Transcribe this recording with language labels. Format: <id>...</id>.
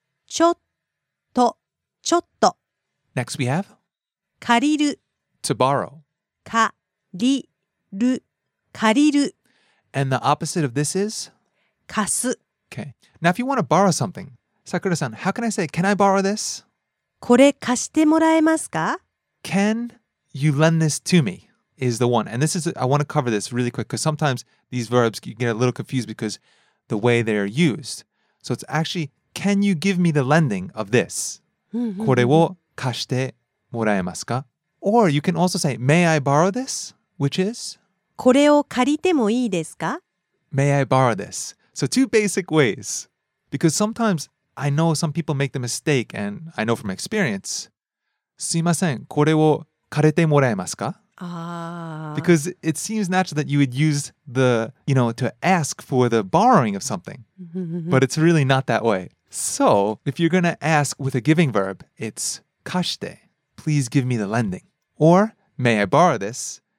<ja>ちょっと.ちょっと.</ja> <en>Next we have?</en> <ja>借りる</ja> <en>To borrow.</en> <ja>借りる借りる</ja> <en>And the opposite of this is?</en> <ja>貸す</ja> <en>Okay. Now if you want to borrow something, Sakura-san, how can I say, can I borrow this?</en> <ja>これ貸してもらえますか?</ja> <en>Can you lend this to me? Is the one. And this is, I want to cover this really quick because sometimes these verbs you get a little confused because the way they're used. So it's actually, can you give me the lending of this?</en> <ja>これを貸してもらえますか?</ja> <en>Or you can also say, may I borrow this? Which is?</en> <ja>これを借りてもいいですか?</ja> <en>May I borrow this? So two basic ways. Because sometimes I know some people make the mistake and I know from experience.</en> <ja>すいません、これを借りてもらえますか?</ja> <en>Because it seems natural that you would use the, you know, to ask for the borrowing of something. But it's really not that way. So if you're going to ask with a giving verb, it's 貸して。 Please give me the lending. Or, may I borrow this?</en>